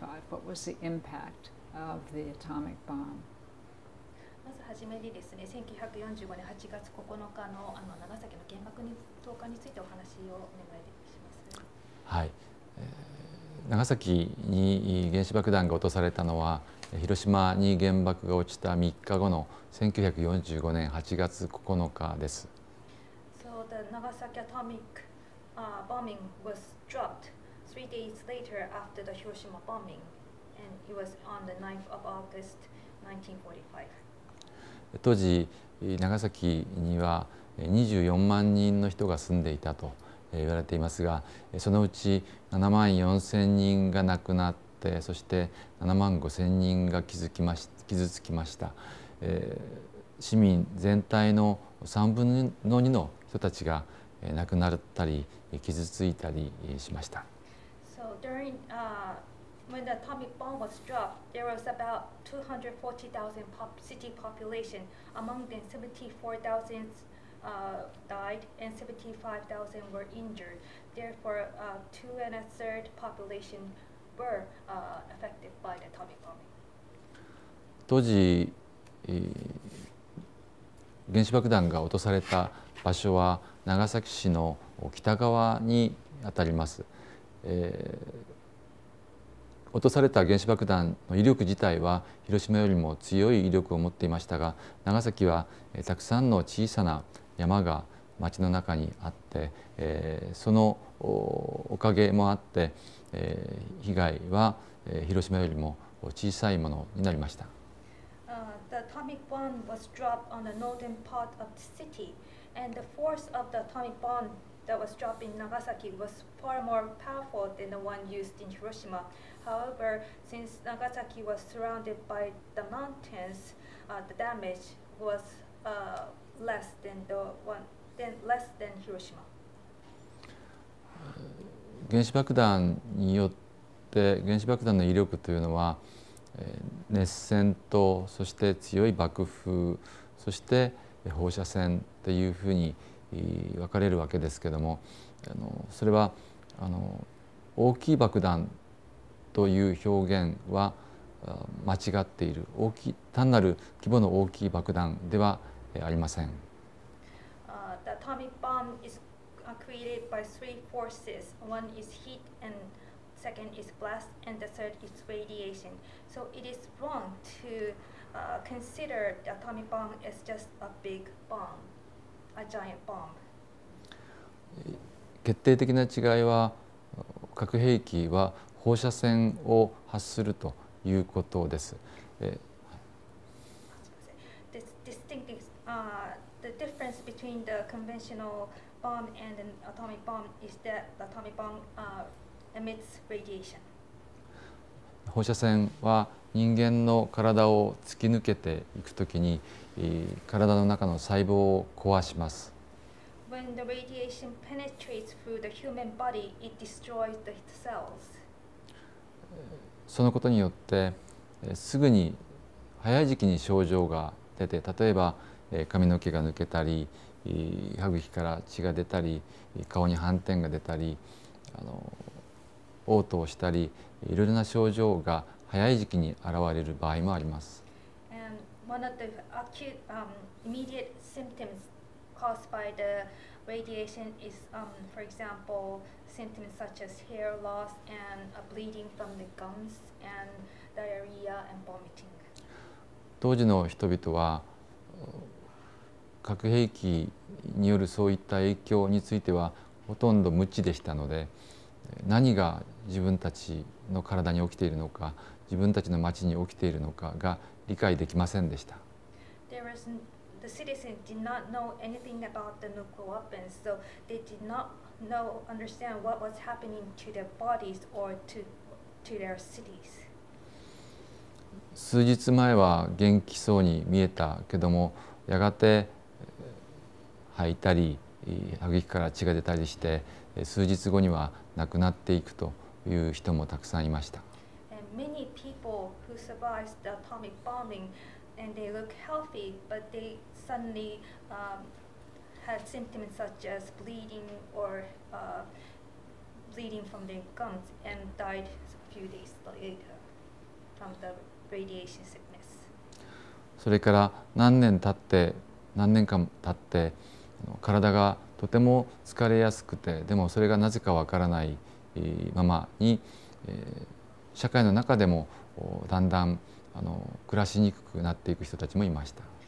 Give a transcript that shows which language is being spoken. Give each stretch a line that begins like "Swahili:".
English: What was the impact of the atomic bomb?
Japanese: はじめにですね、1945年8月9日の、 あの長崎の原爆に投下についてお話をお願いします。はい、長崎に原子爆弾が落とされたのは、広島に原爆が落ちた3日後の1945年8月9日です。
English: So the Nagasaki atomic bombing was dropped 3 days later after the Hiroshima bombing, and it was on the 9th of August 1945.
Japanese: 当時長崎には24万人の人が住んでいたと言われていますがそのうち7万4千人が亡くなってそして7万5千人が傷つきました、市民全体の3分の2の人たちが亡くなったり傷ついたりしました。
English: So during, when the atomic bomb was dropped, there was about 240,000 city population. Among them, 74,000 died and 75,000 were injured. Therefore, two and a third population were affected by the atomic bombing.
Japanese: 当時、原子爆弾が落とされた場所は長崎市の北側にあたります。落とされた原子爆弾の威力自体は広島よりも強い威力を持っていましたが長崎はたくさんの小さな山が町の中にあってそのおかげもあって被害は広島よりも小さいものになりました。
English: The atomic bomb was dropped on the northern part of the city and the force of the atomic bomb that was dropped in Nagasaki was far more powerful than the one used in Hiroshima. However, since Nagasaki was surrounded by the mountains, the damage was less than Hiroshima.
Japanese: 原子爆弾によって原子爆弾の威力というのは熱線とそして強い爆風そして放射線というふうに分かれるわけですけども、それは大きい爆弾という表現は間違っている、大きい単なる規模の大きい爆弾ではありません。
English: The atomic bomb is created by three forces. One is heat and second is blast and the third is radiation. So it is wrong to consider the atomic bomb as just a big bomb, a giant bomb.
Japanese: 決定的な違いは核兵器は放射線を発するということです。
English: This distinctive, the difference between the conventional bomb and an atomic bomb is that the atomic bomb emits radiation.
Japanese: 放射線は人間の体を突き抜けていくときに、体の中の細胞を壊します。
English: When the radiation penetrates through the human body, it destroys the cells.
Japanese: そのことによってすぐに早い時期に症状が出て、例えば髪の毛が抜けたり、歯茎から血が出たり、顔に斑点が出たり、嘔吐をしたり、いろいろな症状が早い時期に現れる場合もあります。
English: One of the acute, immediate symptoms caused by the radiation is, for example, symptoms such as hair loss and a bleeding from the gums and diarrhea and vomiting.
Japanese: 当時の人々は核兵器によるそういった影響についてはほとんど無知でしたので、何が自分たちの体に起きているのか、自分たちの町に起きているのかが理解できませんでした。
English: The citizens did not know anything about the nuclear weapons, so they did not know, understand what was happening to their bodies or to their cities.
Japanese: 数日前は元気そうに見えたけども、やがて吐いたり、歯茎から血が出たりして、数日後には亡くなっていくという人もたくさんいました。
English: And many people who survived the atomic bombing, and they look healthy, but theySuddenly had symptoms such as bleeding or bleeding from their gums and died a few days later from the radiation sickness.
Japanese: それから何年間経って体がとても疲れやすくて、でもそれがなぜかわからないままに、社会の中でもだんだん暮らしにくくなっていく人たちもいました。